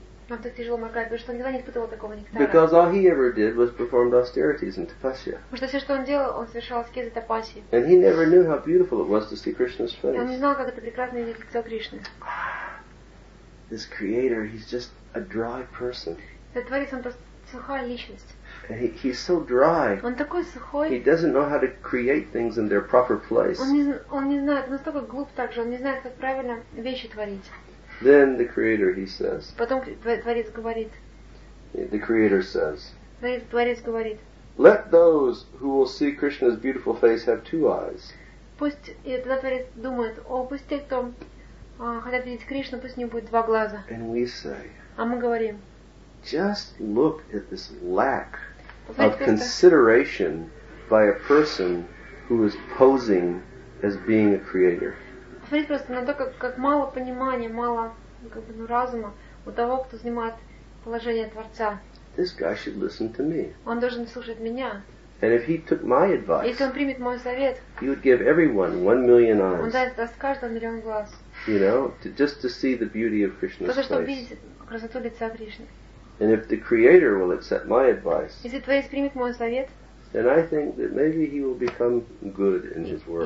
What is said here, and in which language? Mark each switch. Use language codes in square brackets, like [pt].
[ru] Нам так тяжело моргать, потому что он никогда не испытывал такого нектара. [en] Because all he ever did was performed austerities in tapasya. [ru] Потому что все, что он делал, он совершал аскезы тапасии. [en] And he never knew how beautiful it was to see Krishna's face. [ru] Он не знал, как это прекрасно видеть лицо Кришны. [en] This creator, he's just a dry person. [ru] Этот творец, он просто сухая личность. [en] And he's so dry. [ru] Он такой сухой. [en] He doesn't know how to create things in their proper place. [ru] Он не знает, он настолько глуп также, он не знает, как правильно вещи творить. [en] Then the Creator, he says. [ru] Потом Творец говорит. [en] The Creator says. [ru] Творец говорит. [en] Let those who will see Krishna's beautiful face have two eyes. [ru] Пусть этот Творец думает, о, пусть те, кто хотят видеть Кришну, пусть у него будет два глаза. [en] And we say. [ru] А мы говорим. [en] Just look at this lack of consideration by a person who is posing as being a creator. [ru] Смотрите просто на то, как мало понимания, мало разума у того, кто занимает положение Творца. [en] This guy should listen to me. [ru] Он должен слушать меня. [en] And if he took my advice, [ru] если он примет мой совет, [en] he would give everyone 1 million eyes. [ru] Он даст каждому миллион глаз. [en] You know, just to see the beauty of Krishna's face. [ru] Просто чтобы видеть красоту лица Кришны. [en] And if the Creator will accept my advice, [ru] если Творец примет мой совет, [en] then I think that maybe he will become good in his work.